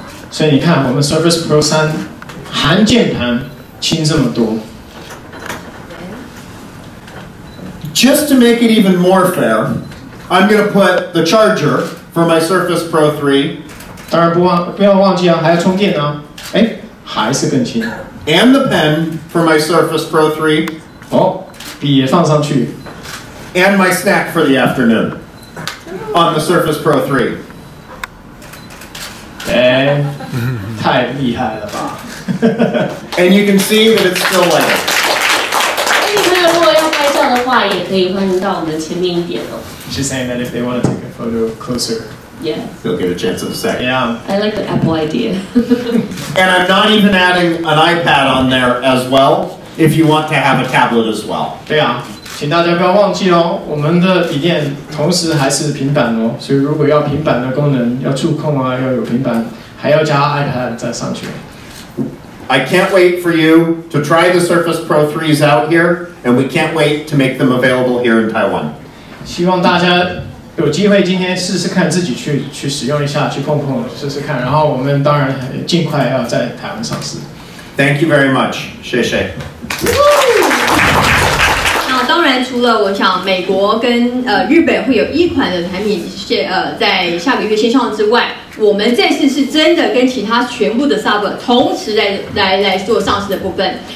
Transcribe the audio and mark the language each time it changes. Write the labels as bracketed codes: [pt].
[zh] 所以你看我们 Surface Pro 3含键盘轻这么多 [en] Just to make it even more fair, I'm going to put the charger for my Surface Pro 3 [zh] 当然不要忘记啊，还要充电啊。哎，还是更轻。 [en] And the pen for my Surface Pro 3。 [zh] 哦，笔也放上去。 [en] And my snack for the afternoon on the Surface Pro 3。 [zh] 哎，太厉害了吧！ [en] And you can see that it's still lighting. [zh] 所以如果要拍照的话，也可以换到我们的前面一点哦。 [en] She's saying that if they want to take a photo closer. Yeah. They'll get a chance in a sec. Yeah. I like the Apple idea. And I'm not even adding an iPad on there as well, if you want to have a tablet as well. [zh] 对啊，请大家不要忘记哦，我们的笔电同时还是平板哦，所以如果要平板的功能，要触控啊，要有平板，还要加 iPad 再上去。 [en] I can't wait for you to try the Surface Pro 3s out here, and we can't wait to make them available here in Taiwan. [zh] 希望大家有机会今天试试看，自己去使用一下，去碰碰试试看。然后我们当然尽快要在台湾上市。 [en] Thank you very much. [zh] 谢谢。当然，除了我想美国跟日本会有一款的产品在下个月先上之外，我们这次是真的跟其他全部的 Sub 同时来做上市的部分。